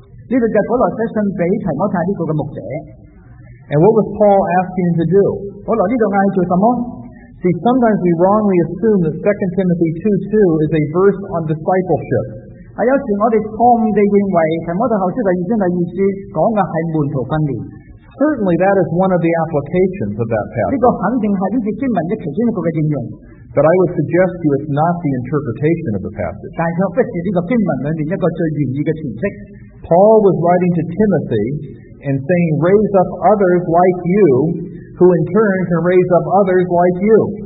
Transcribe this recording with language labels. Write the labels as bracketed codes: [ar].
[zh] 这就是保罗写信给提摩太这个牧者。 [en] And what was Paul asking to do? [zh] 保罗这里叫他做什么？ [en] See, sometimes we wrongly assume that 2 Timothy 2:2 is a verse on discipleship. [zh] 有时我们错误地认为提摩太后书第二章第二节讲的是门徒训练。 [en] Certainly that is one of the applications of that passage. [zh] 这个肯定是这些经文的其中一个应用。 [en] But I would suggest to you it's not the interpretation of the passage. Paul was writing to Timothy and saying, raise up others like you, who in turn can raise up others like you.